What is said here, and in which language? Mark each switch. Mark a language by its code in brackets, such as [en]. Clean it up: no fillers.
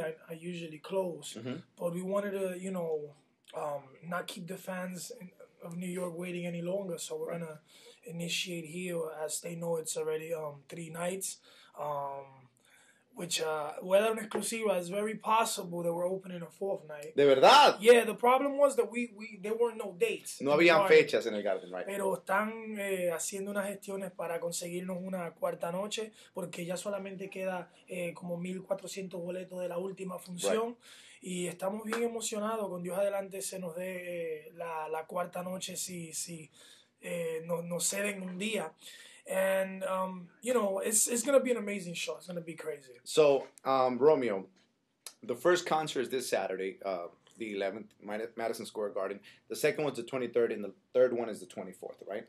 [en] I usually close. Mm-hmm. But we wanted to, you know, not keep the fans of New York waiting any longer, so we're gonna initiate here. As they know, it's already 3 nights, which weather and exclusiva, it's very possible that we're opening a 4th night. [es] De verdad. [en] Yeah, the problem was that we there were no dates. [es] No había fechas en el Garden, right? Pero están haciendo unas gestiones para conseguirnos una cuarta noche, porque ya solamente queda como 1,400 boletos de la última función. Right. Y estamos bien emocionados, con Dios adelante se nos dé la cuarta noche si nos ceden un día. [en] And you know, it's gonna be an amazing show. It's gonna be crazy. So Romeo, the first concert is this Saturday, the 11th, Madison Square Garden. The second one's the 23rd, and the third one is the 24th, right?